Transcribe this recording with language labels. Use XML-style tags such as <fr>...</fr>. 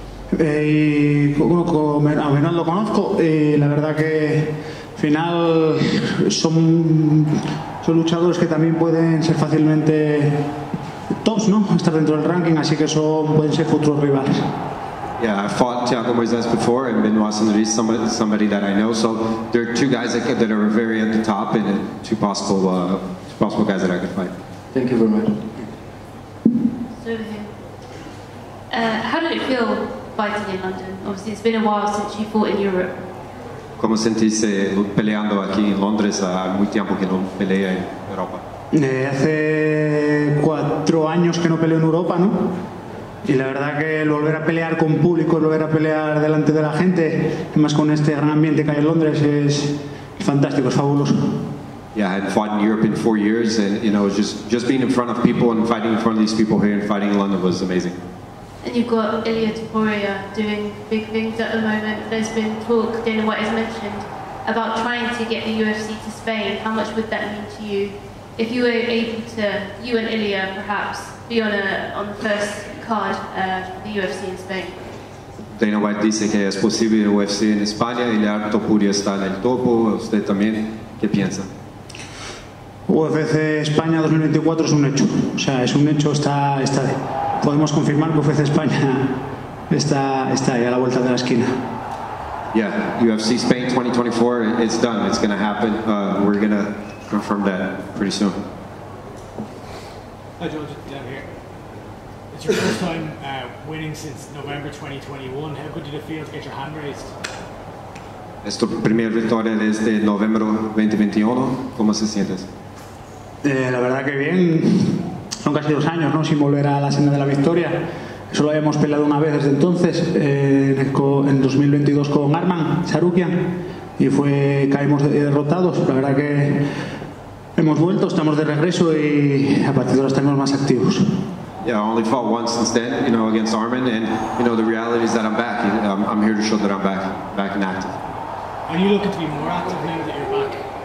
<es>A Benoit lo conozco y la verdad que al final son luchadores que también pueden ser fácilmente tops, ¿no? Estar dentro del ranking, así que son pueden ser futuros rivales.</es> <en>Yeah, I fought Thiago Moises before and Benoit Saint-Denis, somebody that I know, so there are two guys that are very at the top and two possible guys that I could fight. Thank you very much. How did it feel fighting in London? Obviously, it's been a while since you fought in Europe.</en> <es>Como sentiste peleando aquí en Londres?</es> <pt>Há muito tempo que não peleia em Europa.</pt> <es>Hace 4 años que no peleo en Europa, ¿no? Y la verdad que volver a pelear con público, volver a pelear delante de la gente, más con este gran ambiente que hay en Londres, es fantástico, es fabuloso.</es> <en>Yeah, I had fought in Europe in 4 years, and you know, just being in front of people and fighting in front of these people here and fighting in London was amazing. And you've got Ilya Topuria doing big things at the moment. There's been talk, Dana White has mentioned, about trying to get the UFC to Spain. How much would that mean to you if you were able to, you and Ilya perhaps, be on the first card for the UFC in Spain?</en> <es>Dana White dice que es posible el UFC en España. Ilya Topuria está en el topo. ¿Usted también qué piensa? UFC España 2024 es un hecho. O sea, es un hecho, está de... Podemos confirmar que UFC España está ahí a la vuelta de la esquina.</es> <en>Yeah, UFC Spain 2024, it's done, it's going to happen. We're going to confirm that pretty soon. Hi, George. Dan here. It's your first time winning since November 2021. How good did it feel to get your hand raised?</en> <es>Es tu primera victoria desde noviembre 2021. ¿Cómo se sientes? La verdad que bien. Son casi 2 años, ¿no? Sin volver a la senda de la victoria. Solo habíamos peleado una vez desde entonces, en 2022 con Arman Sarukian, y caímos derrotados. La verdad que hemos vuelto, estamos de regreso y a partir de ahora estamos más activos.</es> <en>Yeah, I only fought once since then, you know, against Arman, and you know the reality is that I'm back. I'm here to show that I'm back and active. Are you looking to be more active now that you're back?</en>